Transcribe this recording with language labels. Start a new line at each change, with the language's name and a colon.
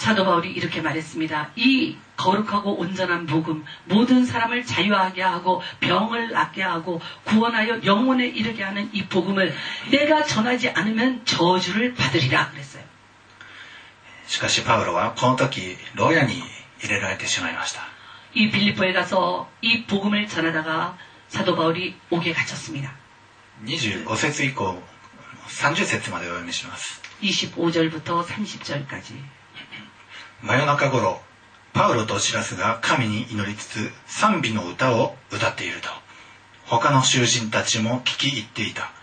Korean: 사도바울이이렇게말했습니다이거룩하고온전한복음모든사람을자유하게하고병을낫게하고구원하여영혼에이르게하는이복음을내가전하지않으면저주를받으리라그랬어요
Japanese: しかしパウロはこの時牢屋に入れられてしまいました
Korean: 이빌립보에가서이복음을전하다가사도바울이옥에갇혔습니다
Japanese: 25節以降30節までお読みします
Korean: 25절부터30절까지
Japanese: 真夜中頃パウロとシラスが神に祈りつつ賛美の歌を歌っていると他の囚人たちも聞き入っていた